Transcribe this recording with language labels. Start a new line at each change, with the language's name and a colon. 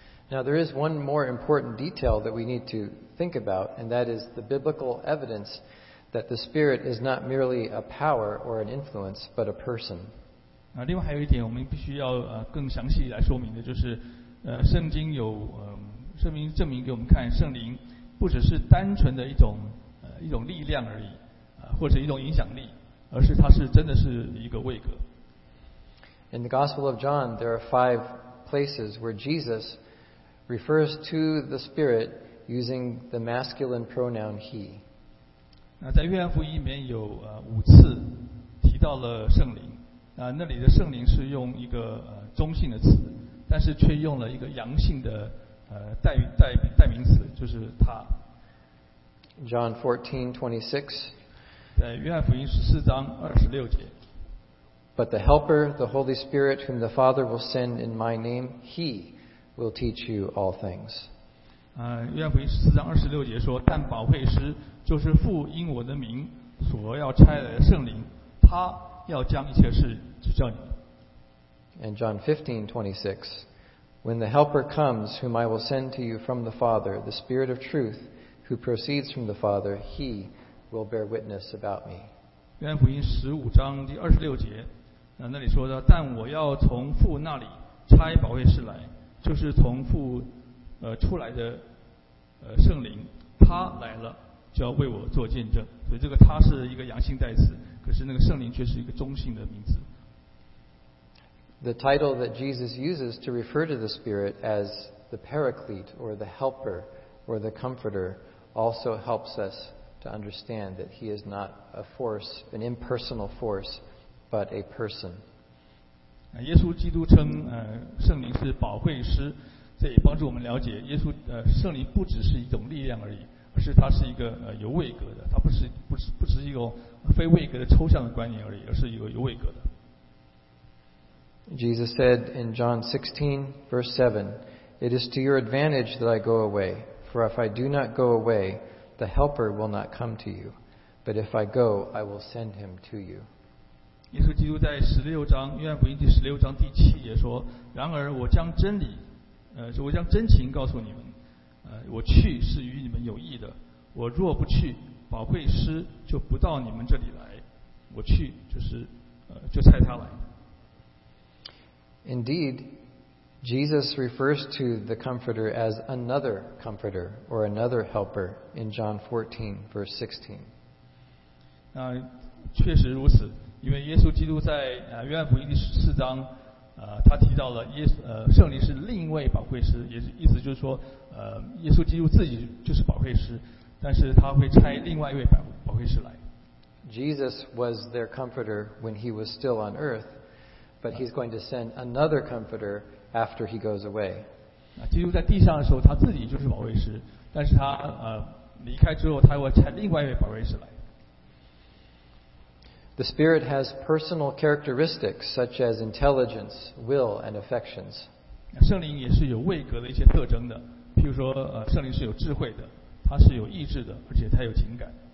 English: Now there is one more important detail that we need to think about, and that is the biblical evidence that the Spirit is not merely a power or an influence, but a person.
Chinese: 另外还有一点我们必须要更详细来说明的，就是圣经有圣经证明给我们看，圣灵不只是单纯的一种力量而已，或者一种影响力，而是它是真的是一个位格。
English: In the Gospel of John, there are five places where Jesus refers to the Spirit using the masculine pronoun He.
Chinese: 在约翰福音里面有五次提到了圣灵，那里的圣灵是用一个中性的词，但是却用了一个阳性的代名词，就是他。
English: John 14:26。
Chinese: 在约翰福音14:26。
English: But the Helper, the Holy Spirit, whom the Father will send in my name, He will teach you all things.
Chinese: 约翰福音14:26说，但保惠师就是父因我的名所要差来的圣灵，他要将一切事指教你。
English: And John 15:26, when the Helper comes, whom I will send to you from the Father, the Spirit of truth, who proceeds from the Father, He will bear witness about me.
Chinese: 约翰福音15:26，那里说的，但我要从父那里差保惠师来，就是从父出来的圣灵，他来了就要为我做见证。所以这个他是一个阳性代词，可是那个圣灵却是一个中性的名字。
English: The title that Jesus uses to refer to the Spirit as the Paraclete or the Helper or the Comforter also helps us to understand that He is not a force, an impersonal force, but a person.
Chinese: 耶稣基督称圣灵是保惠师，这也帮助我们了解耶稣圣灵不只是一种力量而已，而是它是一个有位格的，它不只是一个非位格的抽象的观念而已，而是一个有位格的。
English: Jesus said in John 16:7, It is to your advantage that I go away, for if I do not go away, the Helper will not come to you. But if I go, I will send him to you.
Chinese: 耶稣基督在约翰福音16:7说，然而我将真理，我将真情告诉你们，我去是与你们有益的，我若不去，保惠师就不到你们这里来，我去就差他来。
English: Indeed, Jesus refers to the Comforter as another Comforter or another Helper in John 14:16.
Chinese: 确实如此，因为耶稣基督在约翰福音14，他提到了圣灵是另一位保惠师，也意思就是说，耶稣基督自己就是保惠师，但是他会差另外一位保惠师来。
English: Jesus was their Comforter when he was still on earth. But he's going to send another comforter after he goes away.
Chinese: 基督在地上的时候，他自己就是保惠师，但是他离开之后，他会差另外一位保惠师来。
English: The Spirit has personal characteristics such as intelligence, will, and affections.
Chinese: 圣灵也是有位格的一些特征的，譬如说，圣灵是有智慧的，他是有意志的，而且他有情感。